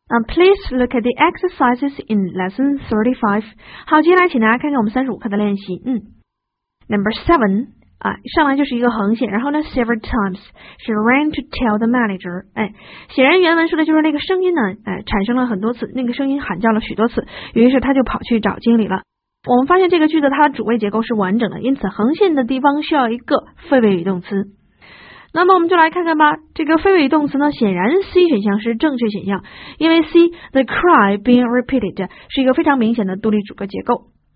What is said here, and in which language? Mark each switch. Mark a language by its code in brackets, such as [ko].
[en] Please look at the exercises in lesson 35. [zh] 好，接下来请大家看看我们35课的练习。 [en] Number 7, 上来就是一个横线，然后呢 several times, she ran to tell the manager. [zh] 哎，显然原文说的就是那个声音呢，哎，产生了很多次，那个声音喊叫了许多次，于是他就跑去找经理了。我们发现这个句子它的主谓结构是完整的，因此横线的地方需要一个非谓语动词。那么我们就来看看吧，这个非谓语动词呢，显然 C 选项是正确选项，因为 C the cry being repeated 是一个非常明显的独立主格结构。